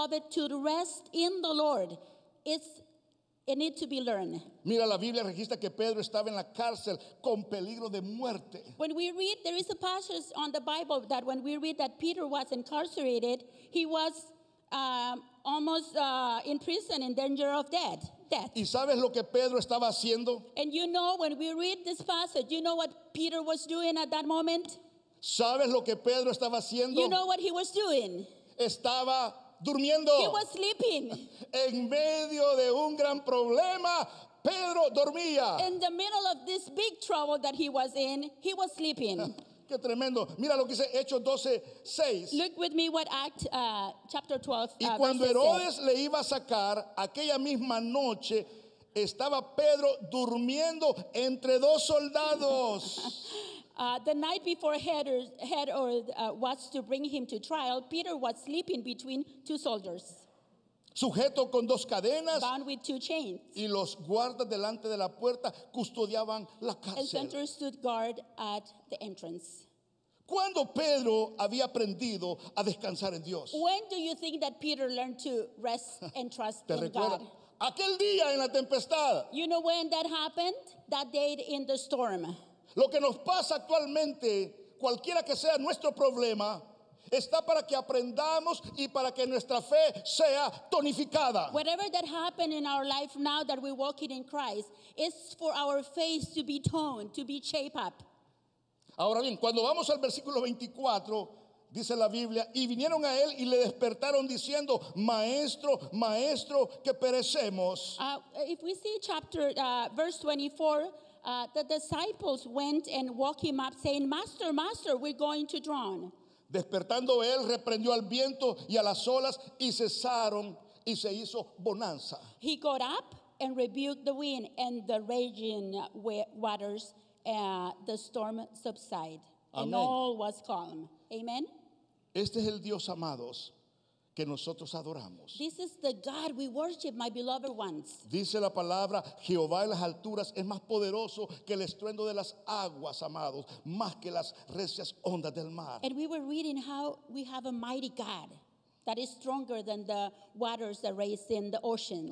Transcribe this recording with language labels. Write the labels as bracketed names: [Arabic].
[English] To rest in the Lord, it's it need to be learned. [Spanish] Mira, la Biblia registra que Pedro estaba en la cárcel con peligro de muerte. [English] When we read, there is a passage on the Bible that when we read that Peter was incarcerated, he was almost in prison in danger of death. [Spanish] ¿Y sabes lo que Pedro estaba haciendo? [English] And you know, when we read this passage, you know what Peter was doing at that moment? [Spanish] ¿Sabes lo que Pedro estaba haciendo? [English] You know what he was doing? [Spanish] Estaba durmiendo. [English] He was sleeping. [Spanish] En medio de un gran problema, Pedro dormía. [English] In the middle of this big trouble that he was in, he was sleeping. [Spanish] Qué tremendo. Mira lo que dice Hechos 12, 6. [English] Look with me what Act chapter 12. [Spanish] Y cuando Herodes le iba a sacar, aquella misma noche estaba Pedro durmiendo entre dos soldados. [English] The night before Herod was to bring him to trial, Peter was sleeping between two soldiers. [Spanish] Sujeto con dos cadenas. [English] Bound with two chains. [Spanish] Y los guardas delante de la puerta custodiaban la cárcel. [English] And sentinels stood guard at the entrance. [Spanish] ¿Cuándo Pedro había aprendido a descansar en Dios? [English] When do you think that Peter learned to rest and trust [Spanish] ¿Te [English] in [Spanish] recuerda? [English] God? [Spanish] Aquel día en la tempestad. [English] You know when that happened? That day in the storm. [Spanish] Lo que nos pasa actualmente, cualquiera que sea nuestro problema, está para que aprendamos y para que nuestra fe sea tonificada. [English] Whatever that happened in our life now that we're walking in Christ, it's for our faith to be toned, to be shaped up. [Spanish] Ahora bien, cuando vamos al versículo 24, dice la Biblia, y vinieron a él y le despertaron diciendo, Maestro, Maestro, que perecemos. [English] If we see verse 24, the disciples went and woke him up saying, Master, Master, we're going to drown. [Spanish] Despertando él, reprendió al viento y a las olas y cesaron y se hizo bonanza. [English] He got up and rebuked the wind and the raging waters. The storm subsided. Amen. And all was calm. Amen. [Spanish] Este es el Dios, amados, que nosotros adoramos. [English] This is the God we worship, my beloved ones. [Spanish] Dice la palabra, Jehová en las alturas es más poderoso que el estruendo de las aguas, amados, más que las recias ondas del mar. [English] And we were reading how we have a mighty God that is stronger than the waters that race in the oceans.